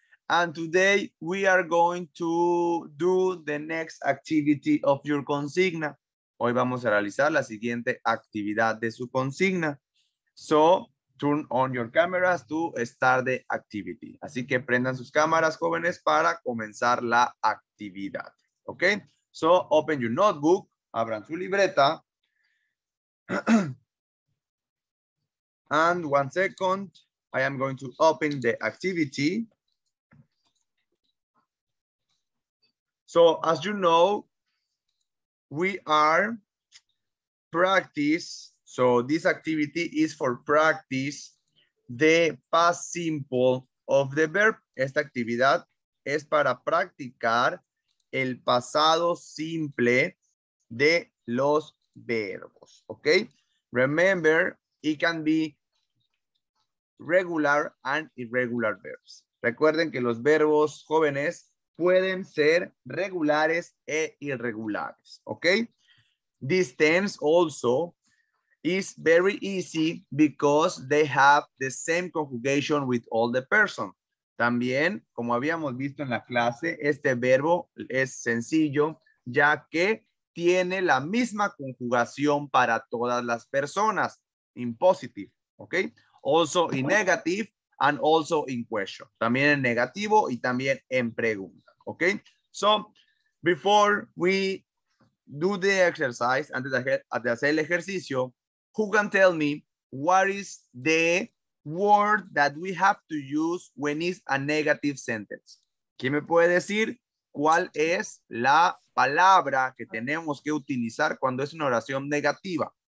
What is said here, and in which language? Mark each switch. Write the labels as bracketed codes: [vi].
[en] And today we are going to do the next activity of your consigna. [es] Hoy vamos a realizar la siguiente actividad de su consigna. [en] So, turn on your cameras to start the activity. [es] Así que prendan sus cámaras, jóvenes, para comenzar la actividad. [en] ¿Ok? So, open your notebook. [es] Abran su libreta. [en] And one second, I am going to open the activity. So, as you know, we are practice, so this activity is for practice the past simple of the verb. [es] Esta actividad es para practicar el pasado simple de los verbos, okay? [en] Remember, it can be regular and irregular verbs. [es] Recuerden que los verbos jóvenes pueden ser regulares e irregulares, okay? [en] This tense also is very easy because they have the same conjugation with all the person. [es] También, como habíamos visto en la clase, este verbo es sencillo ya que tiene la misma conjugación para todas las personas [en] in positive, [es] okay? [en] Also in negative and also in question. [es] También en negativo y también en pregunta. [en] Okay, so before we do the exercise, [es] antes de hacer el ejercicio, [en] who can tell me what is the word that we have to use when it's a negative sentence? [es] ¿Quién me puede decir cuál es la palabra que tenemos que utilizar cuando es una oración negativa?